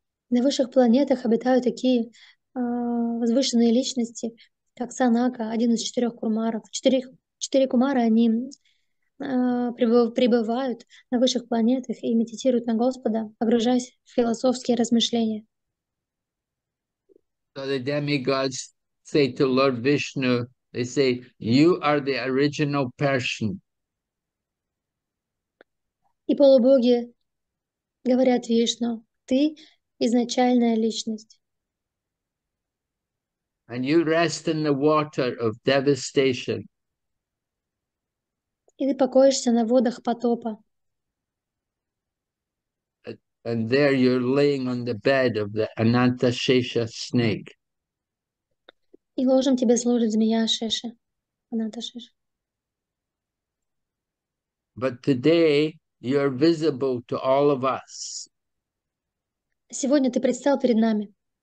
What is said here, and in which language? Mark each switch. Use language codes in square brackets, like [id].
[ru] На высших планетах обитают такие возвышенные личности, как Санака, один из четырех кумаров. Четыре кумара, они пребывают на высших планетах и медитируют на Господа, погружаясь в философские размышления. [en] So the demigods say to Lord Vishnu, they say, you are the original person. [ru] И полубоги говорят Вишну, ты изначальная личность. [en] And you rest in the water of devastation. [ru] И ты покоишься на водах потопа. [en] And there you're laying on the bed of the Anantashesha snake. [ru] И ложем тебе служит змея Шеша. Она это Шеша. [en] But today you're visible to all of us. [ru] Сегодня ты предстал перед нами.